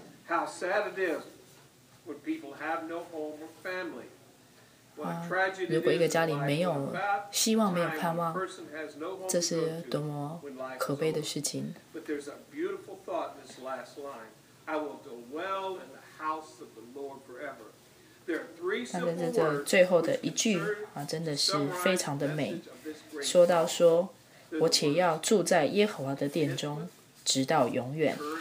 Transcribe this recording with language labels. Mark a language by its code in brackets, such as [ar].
[en] How sad it is when people have no home or family. What tragedy. [zh] 如果一个家里没有希望，没有盼望，这是多么可悲的事情。 [en] But there's a beautiful thought in this last line. I will dwell in the house of the Lord forever. [zh] 但是这个最后的一句、啊、真的是非常的美，说到说我且要住在耶和华的殿中直到永远。